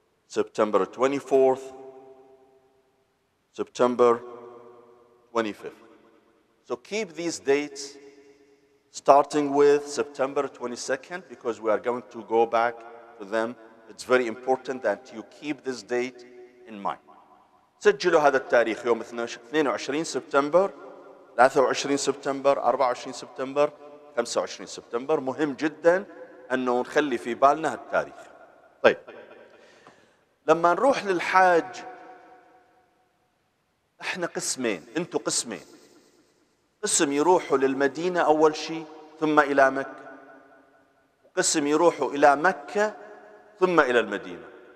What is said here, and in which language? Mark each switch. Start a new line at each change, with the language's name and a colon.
English: September 24th, September 25th. So keep these dates, starting with September 22nd, because we are going to go back to them. It's very important that you keep this date in mind.
Arabic: سجلوا هذا التاريخ يوم 22 سبتمبر, 23 سبتمبر, 24 سبتمبر, 25 سبتمبر. مهم جدا أنه نخلي في بالنا هالتاريخ. طيب. لما نروح للحاج احنا قسمين انتوا قسمين قسم يروحوا للمدينة اول شيء ثم الى مكة وقسم يروحوا الى مكة ثم الى المدينة